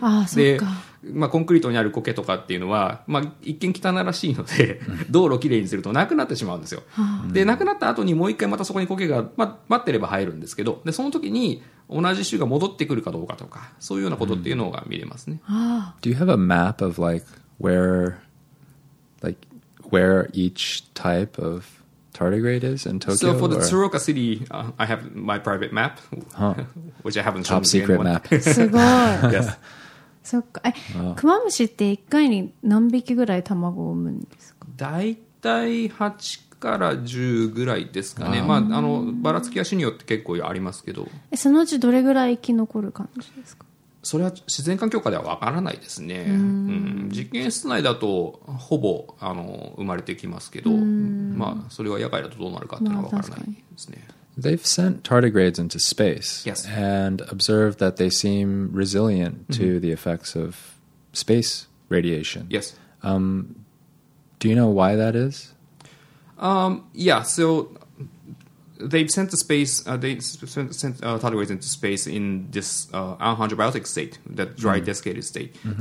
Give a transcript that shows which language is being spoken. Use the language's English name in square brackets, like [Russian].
[Japanese] ああ、そうか。まあ、コンクリートにある苔とかっていうのは、まあ、一見汚らしいので道路をきれいにするとなくなってしまうんですよ。でなくなった後にもう一回またそこに苔が、ま、待ってれば生えるんですけど、でその時に同じ種が戻ってくるかどうかとかそういうようなことっていうのが見れますね。 [English] Do you have a map of where each type of tardigrade is in Tokyo? So for the Tsuruoka City, I have my private map, which I haven't shown to anyone. Top secret map. Yes. [Japanese] そっか。クマムシって1回に何匹ぐらい卵を産むんですか？だいたい8から10ぐらいですかね。まあ、ばらつきは種によって結構ありますけど。そのうちどれぐらい生き残る感じですか？それは自然環境下ではわからないですね。実験室内だとほぼ生まれてきますけど、まあ、それは野外だとどうなるかっていうのはわからないですね。 [English] They've sent tardigrades into space, yes, and observed that they seem resilient to the effects of space radiation. Yes. Do you know why that is? Yeah, so they've sent the space, they sent tardigrades into space in this anhydrotic state, that dry desiccated state. Mm-hmm.